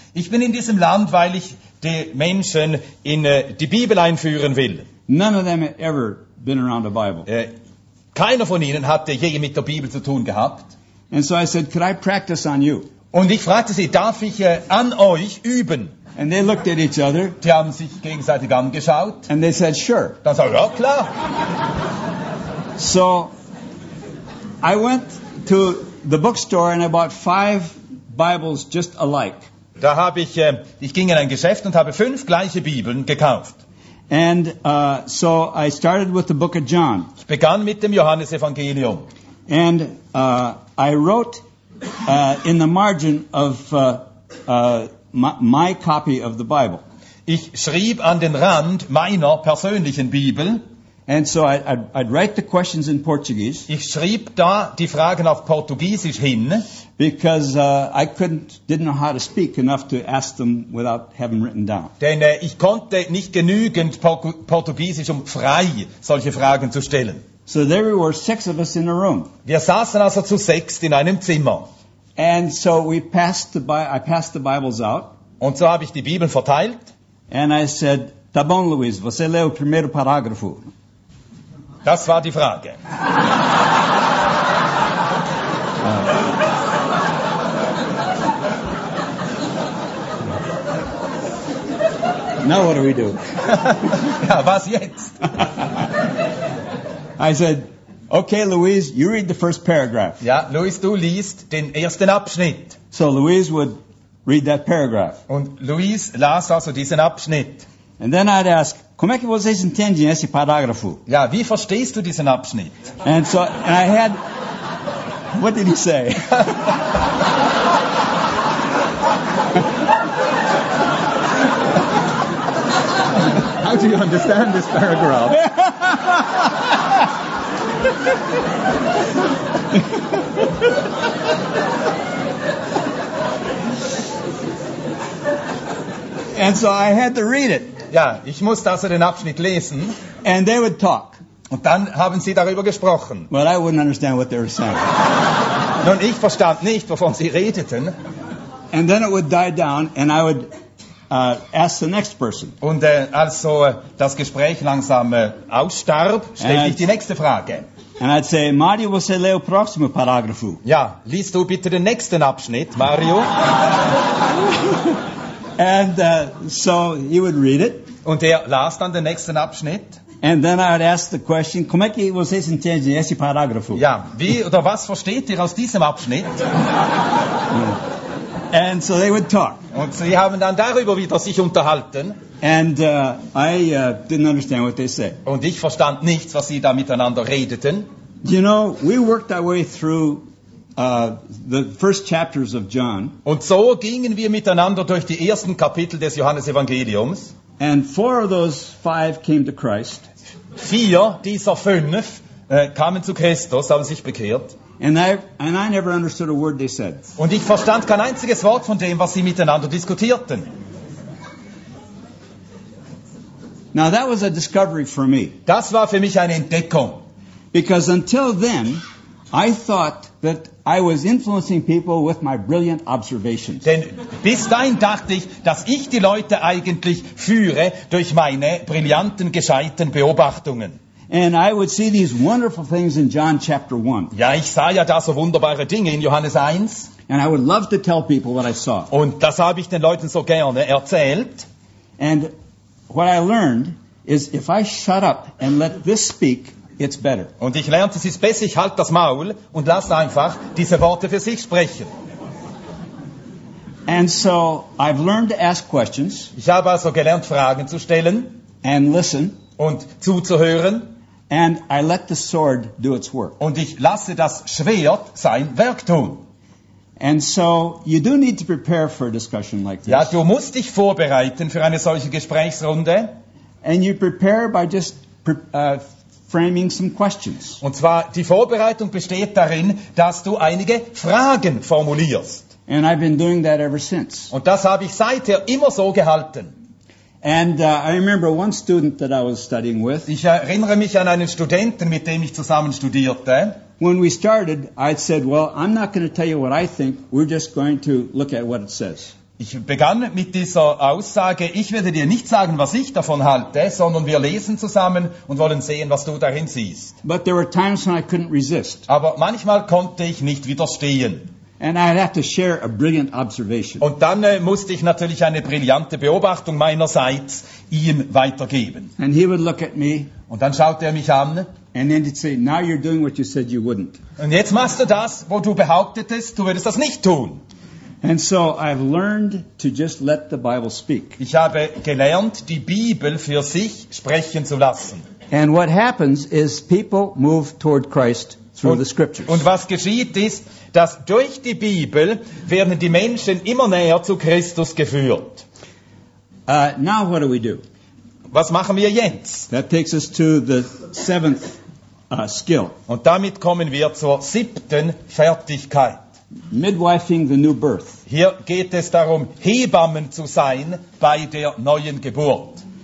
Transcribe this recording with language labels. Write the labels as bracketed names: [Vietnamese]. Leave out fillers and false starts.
[German] Ich bin in diesem Land, weil ich die Menschen in die Bibel einführen will. [English] None of them had ever been around a Bible. [German] Keiner von ihnen hatte je mit der Bibel zu tun gehabt. [English] And so I said, could I practice on you? [German] Und ich fragte sie, darf ich an euch üben? [English] And they looked at each other. [German] Die haben sich gegenseitig angeschaut. [English] And they said, sure. [German] Dann sagten sie, ja klar. [English] So, I went to the bookstore and I bought 5 Bibles just alike. [German] Da habe ich, ich ging in ein Geschäft und habe 5 gleiche Bibeln gekauft. [English] And so I started with the book of John. [German] Ich begann mit dem Johannesevangelium. [English] And I wrote in the margin of my copy of the Bible. [German] Ich schrieb an den Rand meiner persönlichen Bibel. [English] And so I'd write the questions in Portuguese. [German] Ich schrieb da die Fragen auf Portugiesisch hin. [English] Because I didn't know how to speak enough to ask them without having written down. [German] Denn ich konnte nicht genügend Portugiesisch, um frei solche Fragen zu stellen. [English] So there were 6 of us in a room. [German] Wir saßen also zu 6 in einem Zimmer. [English] And so I passed the Bibles out. [German] Und so habe ich die Bibeln verteilt. [English] And I said, [Portuguese] tá bom, Luiz, você lê o primeiro parágrafo. [German] Das war die Frage. [English] Now what do we do? [German] Ja, was jetzt? [English] I said, okay, Louise, you read the first paragraph. [German] Ja, Louise, du liest den ersten Abschnitt. [English] So Louise would read that paragraph. [German] Und Louise las also diesen Abschnitt. [English] And then I'd ask, [Portuguese] como é que vocês entendem esse parágrafo? [German] Ja, wie verstehst du diesen Abschnitt? [English] And so and I had, what did he say? How do you understand this paragraph? And so I had to read it. [German] Ja, ich musste also den Abschnitt lesen. [English] And they would talk. [German] Und dann haben sie darüber gesprochen. [English] Well, I wouldn't understand what they were saying. [German] Nun, ich verstand nicht, wovon sie redeten. [English] And then it would die down and I would ask the next person. [German] Und also das Gespräch langsam ausstarb, stelle ich die nächste Frage. [English] And I'd say, Mario, [Portuguese] você lê o próximo parágrafo? [German] Ja, liest du bitte den nächsten Abschnitt, Mario? [English] And so he would read it. [German] Und er las dann den nächsten Abschnitt. [English] And then I would ask the question, [Portuguese] como é que vocês entendem esse parágrafo? [German] Ja, wie oder was versteht ihr aus diesem Abschnitt? [English] And so they would talk. [German] Und sie haben dann darüber wieder sich unterhalten. [English] And I didn't understand what they said. [German] Und ich verstand nichts, was sie da miteinander redeten. [English] You know, we worked our way through the first chapters of John. [German] Und so gingen wir miteinander durch die ersten Kapitel des Johannesevangeliums. [English] And four of those five came to Christ. [German] Vier dieser fünf kamen zu Christus, haben sich bekehrt. [English] And I never understood a word they said. [German] Und ich verstand kein einziges Wort von dem, was sie miteinander diskutierten. [English] Now that was a discovery for me. [German] Das war für mich eine Entdeckung. [English] Because until then, I thought that I was influencing people with my brilliant observations. [German] Denn bis dahin dachte ich, dass ich die Leute eigentlich führe durch meine brillanten, gescheiten Beobachtungen. [English] And I would see these wonderful things in John chapter 1. [German] Ja, ich sah ja da so wunderbare Dinge in Johannes 1. [English] And I would love to tell people what I saw. [German] Und das habe ich den Leuten so gerne erzählt. [English] And what I learned is if I shut up and let this speak, it's better. [German] Und ich lernte, es ist besser, ich halte das Maul und lass einfach diese Worte für sich sprechen. [English] And so I've learned to ask questions. [German] Ich habe also gelernt, Fragen zu stellen. [English] And listen. [German] Und zuzuhören. [English] And I let the sword do its work. [German] Und ich lasse das Schwert sein Werk tun. [English] And so you do need to prepare for a discussion like this. [German] Ja, du musst dich vorbereiten für eine solche Gesprächsrunde. [English] And you prepare by just framing some questions. [German] Und zwar die Vorbereitung besteht darin, dass du einige Fragen formulierst. [English] And I've been doing that ever since. [German] Und das habe ich seither immer so gehalten. [English] And I remember one student that I was studying with. [German] Ich erinnere mich an einen Studenten, mit dem ich zusammen studierte. [English] When we started, I said, "Well, I'm not going to tell you what I think. We're just going to look at what it says." [German] Ich begann mit dieser Aussage: Ich werde dir nicht sagen, was ich davon halte, sondern wir lesen zusammen und wollen sehen, was du darin siehst. [English] But there were times when I couldn't resist. [German] Aber manchmal konnte ich nicht widerstehen. [English] And I'd have to share a brilliant observation. [German] Und dann musste ich natürlich eine brillante Beobachtung meinerseits ihm weitergeben. [English] And he would look at me. [German] Und dann schaute er mich an. [English] And then he'd say, "Now you're doing what you said you wouldn't." [German] Und jetzt machst du das, wo du behauptetest, du würdest das nicht tun. [English] And so I've learned to just let the Bible speak. [German] Ich habe gelernt, die Bibel für sich sprechen zu lassen. [English] And what happens is people move toward Christ through the scriptures. [German] Und was geschieht ist, dass durch die Bibel werden die Menschen immer näher zu Christus geführt. [English] Now what do we do? [German] Was machen wir jetzt? [English] That takes us to the seventh skill. [German] Und damit kommen wir zur siebten Fertigkeit. [English] Midwifing the new birth. [German] Hier geht es darum, Hebammen zu sein bei der neuen Geburt.